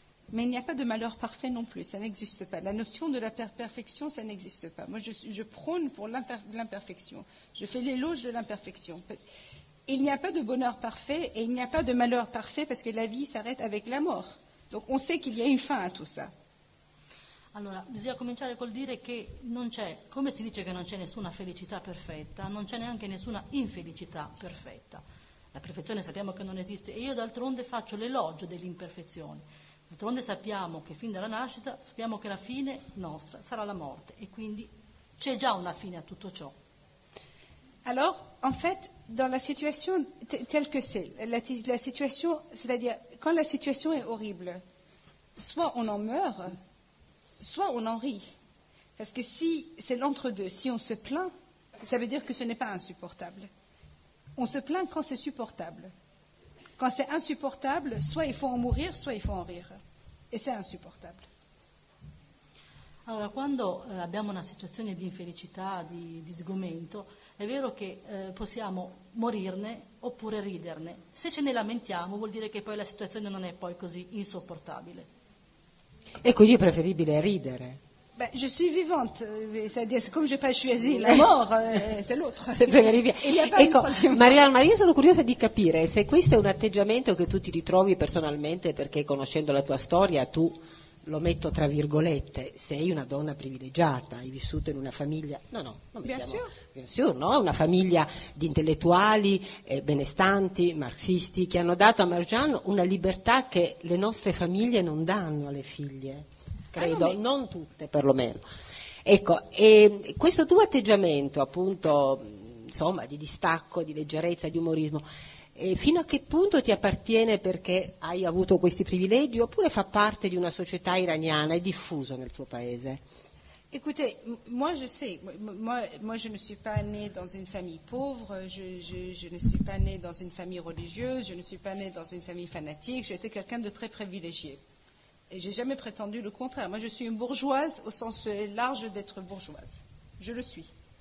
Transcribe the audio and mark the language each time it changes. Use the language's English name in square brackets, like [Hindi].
[French] Mais il n'y a pas de malheur parfait non plus, ça n'existe pas. La notion de la perfection, ça n'existe pas. Moi, je prône pour l'imperfection. Je fais l'éloge de l'imperfection. Il n'y a pas de bonheur parfait et il n'y a pas de malheur parfait parce que la vie s'arrête avec la mort. Donc on sait qu'il y a une fin à tout ça. [Italian] Allora, bisogna cominciare col dire che non c'è, come si dice che non c'è nessuna felicità perfetta, non c'è neanche nessuna infelicità perfetta. La perfezione sappiamo che non esiste e io d'altronde faccio l'elogio dell'imperfezione. D'altronde sappiamo che fin dalla nascita sappiamo che la fine nostra sarà la morte e quindi c'è già una fine a tutto ciò. [French] Alors, en fait, dans la situation telle que c'est, la situation, c'est-à-dire quand la situation est horrible, soit on en meurt, soit on en rit. Parce que si c'est l'entre-deux, si on se plaint, ça veut dire que ce n'est pas insupportable. On se plaint quand c'est supportable. Quand c'est insupportable, soit il faut en mourir, soit il faut en rire. Et c'est insupportable. [Italian] Allora, quando abbiamo una situazione di infelicità, di sgomento, è vero che possiamo morirne oppure riderne. Se ce ne lamentiamo, vuol dire che poi la situazione non è poi così insopportabile. Ecco, io è preferibile ridere. [French] Beh, je suis vivante, c'est-à-dire, comme je n'ai pas choisi la mort, c'est l'autre. C'est préférable. [Italian] Ecco, Maria, io sono curiosa di capire se questo è un atteggiamento che tu ti ritrovi personalmente, perché conoscendo la tua storia, tu, lo metto tra virgolette, sei una donna privilegiata, hai vissuto in una famiglia, una famiglia di intellettuali, benestanti, marxisti, che hanno dato a Marjan una libertà che le nostre famiglie non danno alle figlie. Credo, non tutte perlomeno. Ecco, e questo tuo atteggiamento, appunto, insomma, di distacco, di leggerezza, di umorismo, fino a che punto ti appartiene perché hai avuto questi privilegi oppure fa parte di una società iraniana, è diffuso nel tuo paese? [French] Écoutez, moi je sais, moi je ne suis pas née dans une famille pauvre, je ne suis pas née dans une famille religieuse, je ne suis pas née dans une famille fanatique, j'étais quelqu'un de très privilégié. Et j'ai jamais prétendu le contraire. Moi, je suis une bourgeoise au sens large d'être bourgeoise. Je le suis.